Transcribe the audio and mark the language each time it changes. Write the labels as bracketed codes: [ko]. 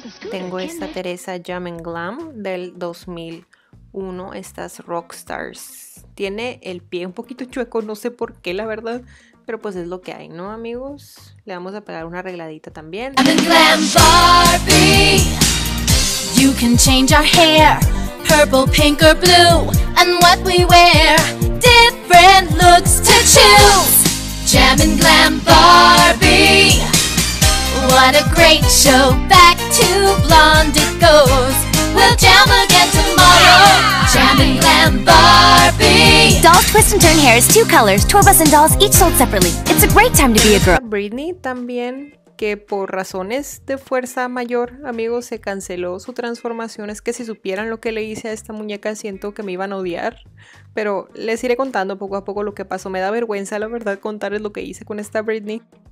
[es] Tengo esta Teresa Jam and Glam del 2001, estas Rockstars. Tiene el pie un poquito chueco, no sé por qué la verdad, pero pues es lo que hay, ¿no, amigos? Le vamos a pegar una arregladita también. [en] I'm a glam Barbie. You can change our hair, purple, pink or blue, and what we wear, different looks to choose. Jam and Glam Barbie. What a great show, back to blonde it goes. We'll jam again tomorrow. Jam and Glam Barbie. Doll twist and turn hair is two colors, tour bus and dolls each sold separately. It's a great time to be a girl. [es] Britney también, que por razones de fuerza mayor, amigos, se canceló su transformación. Es que si supieran lo que le hice a esta muñeca, siento que me iban a odiar. Pero les iré contando poco a poco lo que pasó. Me da vergüenza, la verdad, contarles lo que hice con esta Britney.